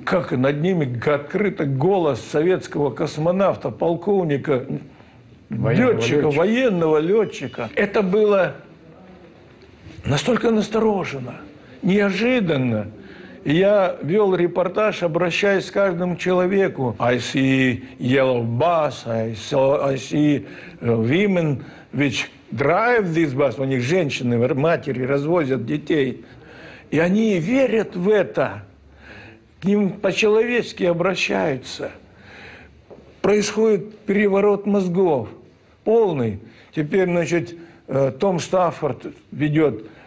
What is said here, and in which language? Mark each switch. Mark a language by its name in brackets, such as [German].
[Russian] Как над ними открыто голос советского космонавта, полковника, военного летчика. Это было настолько настороженно, неожиданно. я вел репортаж, обращаясь к каждому человеку. [English] I see yellow bus, I see women which drive this bus. [Russian] У них женщины, матери развозят детей. И они верят в это. К ним по-человечески обращаются. Происходит переворот мозгов. Полный. Теперь, значит, Том Стаффорд ведет.